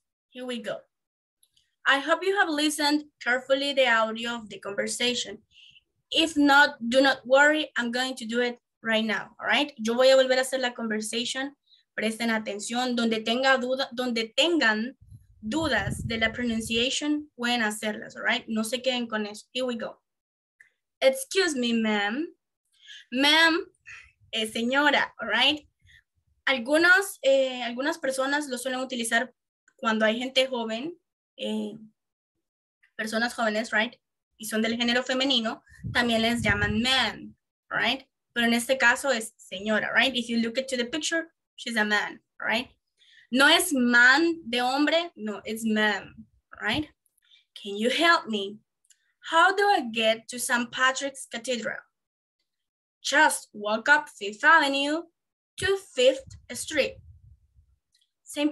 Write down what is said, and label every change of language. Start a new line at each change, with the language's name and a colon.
English: Here we go. I hope you have listened carefully the audio of the conversation. If not, do not worry, I'm going to do it right now, all right?
Spanish: Yo voy a volver a hacer la conversación. Presten atención, donde tengan dudas de la pronunciation, pueden hacerlas, all right? No se queden con eso,
English: here we go. Excuse me, ma'am.
Spanish: Ma'am, señora, all right? Algunas personas lo suelen utilizar cuando hay gente joven, personas jóvenes, right? Y son del género femenino, también les llaman man, right? Pero en este caso es señora, right?
English: If you look into the picture, she's a man, right?
Spanish: No es man de hombre, no,
English: it's man,
Spanish: right?
English: Can you help me? How do I get to St. Patrick's Cathedral? Just walk up Fifth Avenue to Fifth Street. St.